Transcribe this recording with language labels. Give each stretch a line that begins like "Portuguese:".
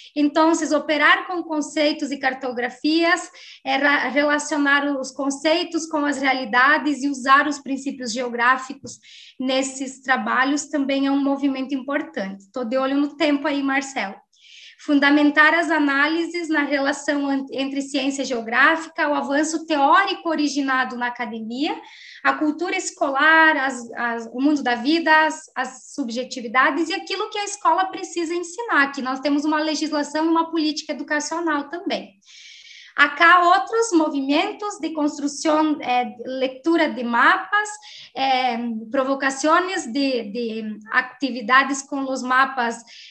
Spanish: Entonces, operar con conceptos y cartografías, relacionar los conceptos con las realidades y usar los principios geográficos en esos trabajos también es un movimiento importante. Estoy de ojo en el tiempo ahí, Marcelo.
Portuguese: Fundamentar as análises na relação entre ciência geográfica, o avanço teórico originado na academia, a cultura escolar, o mundo da vida, as subjetividades e aquilo que a escola precisa ensinar, que nós temos uma legislação e uma política educacional também.
Spanish: Acá otros movimientos de construcción, lectura de mapas, provocaciones de actividades con los mapas,